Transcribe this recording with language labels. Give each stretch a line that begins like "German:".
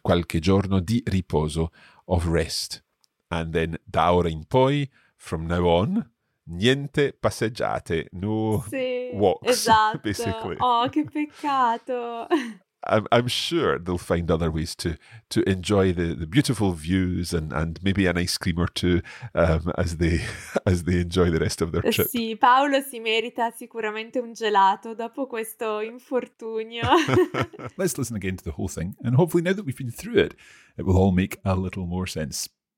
Italian: Qualche giorno di riposo,
English: of rest. And then,
Italian: da ora in poi,
English: from now on,
Italian: niente passeggiate,
English: no
Italian: sì,
English: walks,
Italian: esatto.
English: Basically.
Italian: Oh, che peccato.
English: I'm sure they'll find other ways to enjoy the beautiful views and maybe an ice cream or two as they enjoy the rest of their trip.
Italian: Sì, Paolo si merita sicuramente un gelato dopo questo infortunio.
English: Let's listen again to the whole thing, and hopefully now that we've been through it, it will all make a little more sense.